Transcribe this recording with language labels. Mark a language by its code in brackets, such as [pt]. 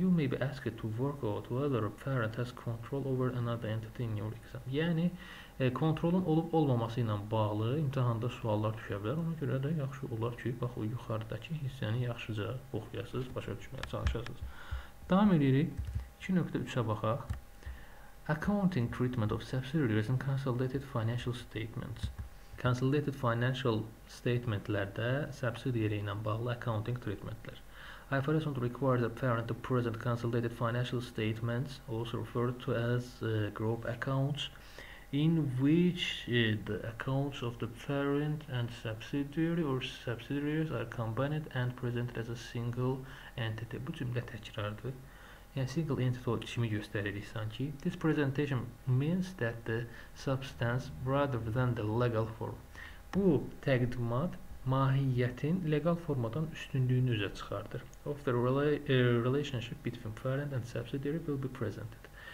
[en] You may be asked to work out whether a parent has control over another entity in your exam. [az] Yəni, kontrolun olub-olmaması ilə bağlı imtihanda suallar düşə bilər. Ona görə də yaxşı olar ki, bax, o yuxarıdakı hissəni yaxşıca oxuyasınız, başa düşməyə çalışasınız. Davam edirik. 2.3-ə baxaq. [en] Accounting treatment of subsidiaries and consolidated financial statements. [az] Consolidated financial statementlərdə subsidiary ilə bağlı accounting treatmentlər. [en] IFRS would require the parent to present consolidated financial statements, also referred to as group accounts, in which the accounts of the parent and subsidiary or subsidiaries are combined and presented as a single entity. [az] Bu cümlə təkrardır. Yəni, single entity kimi göstəririk sanki. [en] This presentation means that the substance rather than the legal form. [az] Bu təqdimat mahiyyətin legal formadan üstünlüyünü üzə çıxardır. [en] Of the relationship between parent and subsidiary will be presented.